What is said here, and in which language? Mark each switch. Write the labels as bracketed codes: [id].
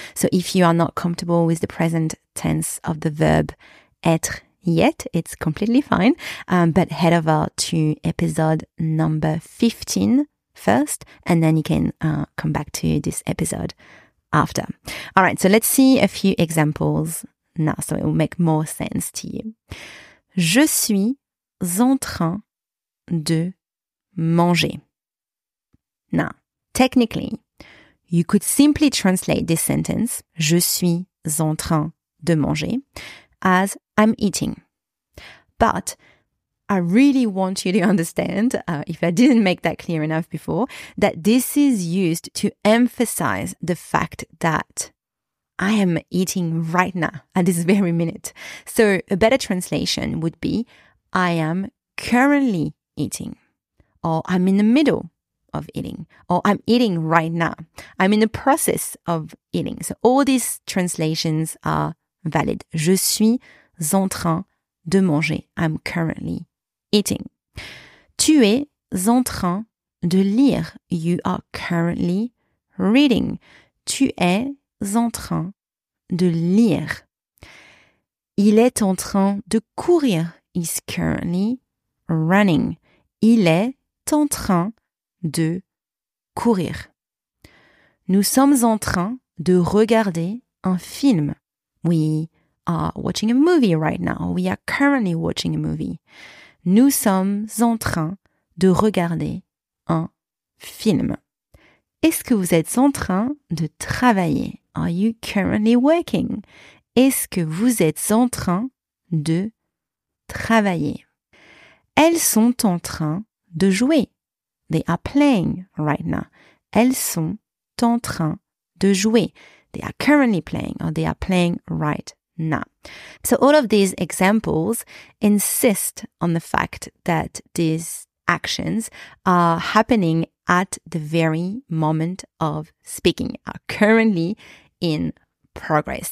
[en] So if you are not comfortable with the present tense of the verb être yet, it's completely fine. But head over to episode number 15 first, and then you can come back to this episode after. All right, so let's see a few examples now so it will make more sense to you. [fr] Je suis en train de manger. [en] Now, technically, you could simply translate this sentence, [fr] je suis en train de manger, [en] as I'm eating. But I really want you to understand, if I didn't make that clear enough before, that this is used to emphasize the fact that I am eating right now, at this very minute. So a better translation would be, I am currently eating, or I'm in the middle of eating, or I'm eating right now. I'm in the process of eating. So all these translations are valid. [fr] Je suis en train de manger. [en] I'm currently eating. [fr] Tu es en train de lire. [en] You are currently reading. [fr] Tu es en train de lire. Il est en train de courir. [en] He's currently running. [fr] Il est en train de courir. Nous sommes en train de regarder un film. [en] We are watching a movie right now. We are currently watching a movie. [fr] Nous sommes en train de regarder un film. Est-ce que vous êtes en train de travailler? [en] Are you currently working? [fr] Est-ce que vous êtes en train de travailler? Elles sont en train de jouer. [en] They are playing right now. [fr] Elles sont en train de jouer. [en] They are currently playing, or they are playing right now. So all of these examples insist on the fact that these actions are happening at the very moment of speaking, are currently in progress.